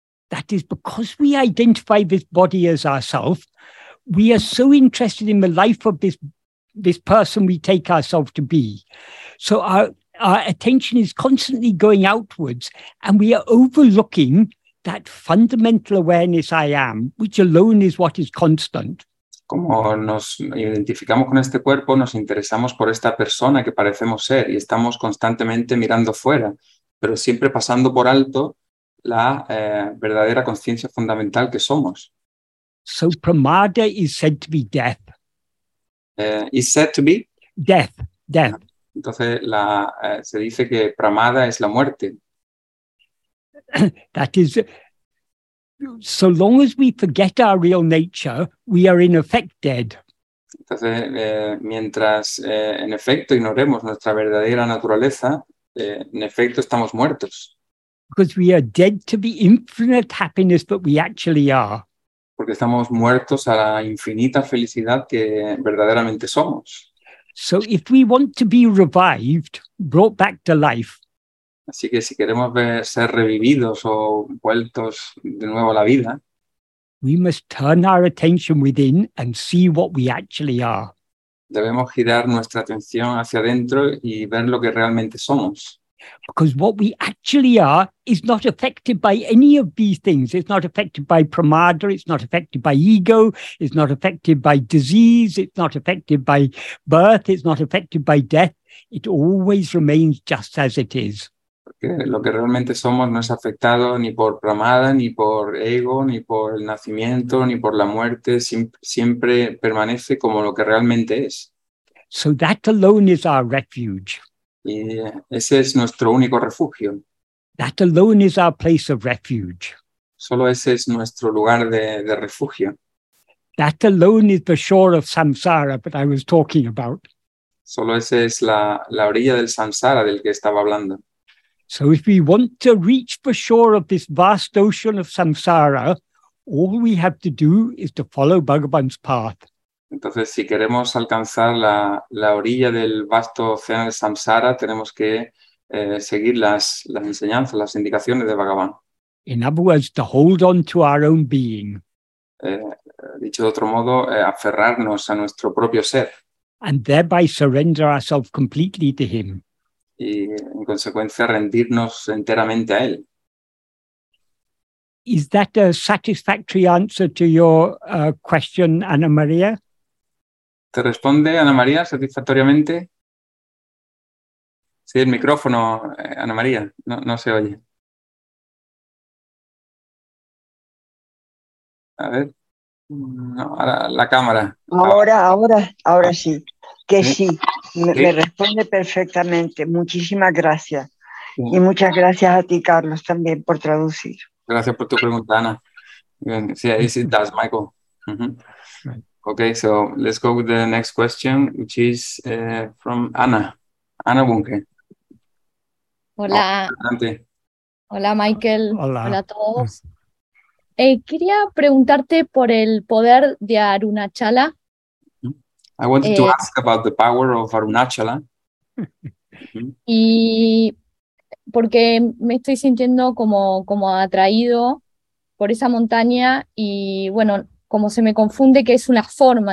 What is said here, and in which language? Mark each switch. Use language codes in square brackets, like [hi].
[en] That is because we identify this body as ourselves, we are so interested in the life of this person we take ourselves to be. So our attention is constantly going outwards and we are overlooking that fundamental awareness I am, which alone is what is constant. [es] Como nos identificamos con este cuerpo, nos interesamos por esta persona que parecemos ser y estamos constantemente mirando fuera, pero siempre pasando por alto la verdadera conciencia fundamental que somos. [en] So pramada is said to be death. Is said to be? Death. [es] Entonces se dice que pramada es la muerte. [en] That is, so long as we forget our real nature, we are in effect dead. [es] Entonces, mientras en efecto ignoremos nuestra verdadera naturaleza, en efecto estamos muertos. [en] Because we are dead to the infinite happiness that we actually are. [es] Porque estamos muertos a la infinita felicidad que verdaderamente somos. [en] So if we want to be revived, brought back to life, [es] así que si queremos ser revividos o vueltos de nuevo a la vida, [en] We must turn our attention within and see what we actually are. [es] Debemos girar nuestra atención hacia adentro y ver lo que realmente somos. [en] Because what we actually are is not affected by any of these things. It's not affected by pramada, it's not affected by ego, it's not affected by disease, it's not affected by birth, it's not affected by death. It always remains just as it is. [es] Porque lo que realmente somos no es afectado ni por pramada, ni por ego, ni por el nacimiento, ni por la muerte. Siempre permanece como lo que realmente es. [en] So that alone is our refuge. [es] Y ese es nuestro único refugio. [en] That alone is our place of refuge. [es] Solo ese es nuestro lugar de refugio. [en] That alone is the shore of samsara that I was talking about. [es] Solo ese es la orilla del samsara del que estaba hablando. [en] So if we want to reach the shore of this vast ocean of samsara, all we have to do is to follow Bhagavan's path. [es] Entonces, si queremos alcanzar la orilla del vasto océano de samsara, tenemos que seguir las enseñanzas, las indicaciones de Bhagavan. [en] In other words, to hold on to our own being. [es] Dicho de otro modo, aferrarnos a nuestro propio ser. [en] And thereby surrender ourselves completely to him. [es] Y en consecuencia rendirnos enteramente a él. [en] Is that a satisfactory answer to your question, Ana María? [es] ¿Te responde Ana María satisfactoriamente? Sí, el micrófono, Ana María, no se oye. A ver, no, ahora la cámara. Ahora sí. Que sí, me responde perfectamente. Muchísimas gracias. Y muchas gracias a ti, Carlos, también por traducir. Gracias por tu pregunta, Ana. Sí, [en] yes, it does, [es] Michael. Uh-huh. [en] Okay, so let's go with the next question, which is from Ana. Ana Bunke. [es] Hola. Adelante. Hola, Michael. Hola. Hola a todos. Quería preguntarte por el poder de Arunachala. [en] I wanted to ask about the power of Arunachala. [es] Y porque me estoy sintiendo como atraído por esa montaña y, bueno, como se me confunde que es una forma.